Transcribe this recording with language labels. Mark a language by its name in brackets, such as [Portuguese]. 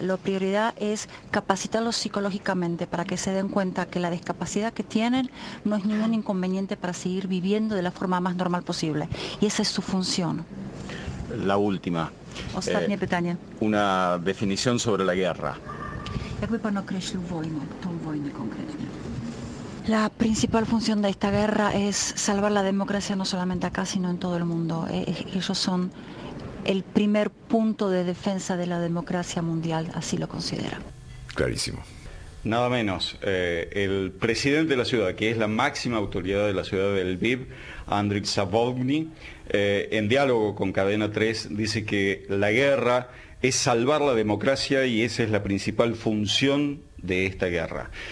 [Spanish] La prioridad es capacitarlos psicológicamente para que se den cuenta que la discapacidad que tienen no es ningún inconveniente para seguir viviendo de la forma más normal posible. Y esa es su función. La última. [Polish] Ostatnie pytanie. [Spanish] Una definición sobre la guerra. [Polish] Jakby pan określił wojnę, tą wojnę konkretnie? [Spanish] La principal función de esta guerra es salvar la democracia no solamente acá, sino en todo el mundo. Ellos son el primer punto de defensa de la democracia mundial, así lo considera. Clarísimo. Nada menos. El presidente de la ciudad, que es la máxima autoridad de la ciudad de Lviv, Andriy Zabokvny, en diálogo con Cadena 3, dice que la guerra es salvar la democracia y esa es la principal función de esta guerra.